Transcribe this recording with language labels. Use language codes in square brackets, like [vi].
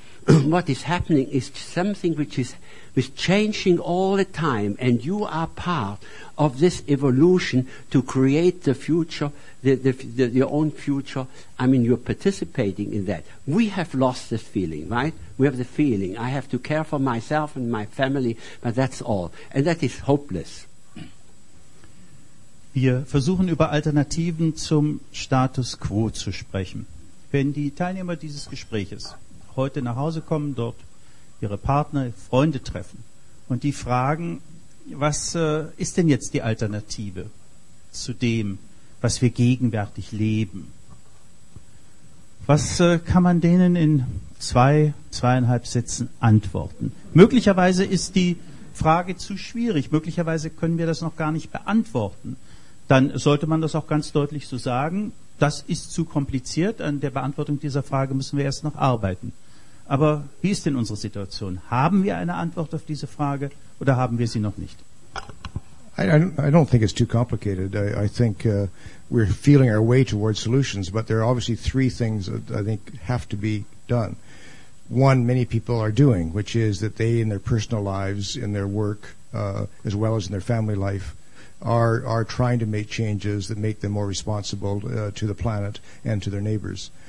[en] what is happening is something which is changing all the time, and you are part of this evolution to create the future, your own future. I mean, you're participating in that. We have lost this feeling, right? We have the feeling, I have to care for myself and my family, but that's all. And that is hopeless. [de] Wir versuchen, über Alternativen zum Status quo zu sprechen. Wenn die Teilnehmer dieses Gespräches heute nach Hause kommen, dort ihre Partner, Freunde treffen und die fragen, was ist denn jetzt die Alternative zu dem, was wir gegenwärtig leben? Was kann man denen in 2, 2,5 Sätzen antworten? Möglicherweise ist die Frage zu schwierig, möglicherweise können wir das noch gar nicht beantworten. Dann sollte man das auch ganz deutlich so sagen, das ist zu kompliziert, an der Beantwortung dieser Frage müssen wir erst noch arbeiten. Aber wie ist denn unsere Situation? Haben wir eine Antwort auf diese Frage oder haben wir sie noch nicht? [en] I don't think it's too complicated. I think we're feeling our way towards solutions, but there are obviously three things that I think have to be done. One, many people are doing, which is that they in their personal lives, in their work, as well as in their family life, are trying to make changes that make them more responsible to the planet and to their neighbors.